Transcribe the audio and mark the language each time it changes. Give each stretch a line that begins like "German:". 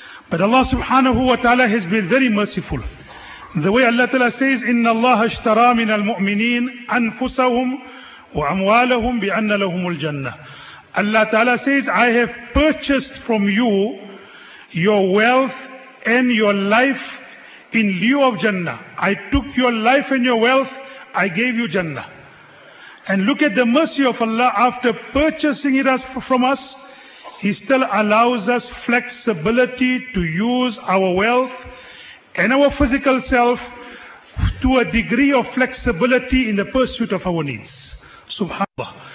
English: But Allah subhanahu wa ta'ala has been very merciful. The way Allah ta'ala says,
Arabic: إِنَّ اللَّهَ اشْتَرَى مِنَ الْمُؤْمِنِينَ أَنفُسَهُمْ وَأَمْوَالَهُمْ بِأَنَّ لَهُمُ الْجَنَّةِ.
English: Allah Ta'ala says, I have purchased from you your wealth and your life in lieu of Jannah. I took your life and your wealth, I gave you Jannah. And look at the mercy of Allah. After purchasing it from us, He still allows us flexibility to use our wealth and our physical self to a degree of flexibility in the pursuit of our needs. SubhanAllah.